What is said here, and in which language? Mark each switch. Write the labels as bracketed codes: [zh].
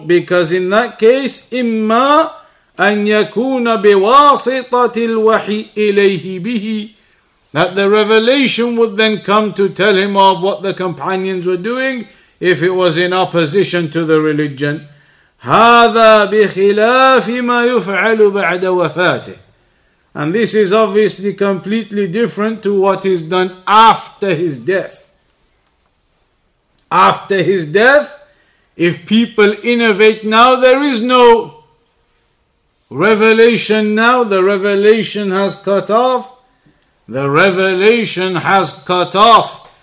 [en] Because in that case, [ar] imma an yakuna biwasitatil wahi ilayhi bihi, [en] that the revelation would then come to tell him of what the companions were doing if it was in opposition to the religion. [ar] هذا بخلاف ما يفعل بعد وفاته. [en] And this is obviously completely different to what is done after his death. After his death, if people innovate now, there is no revelation now. The revelation has cut off. The revelation has cut off.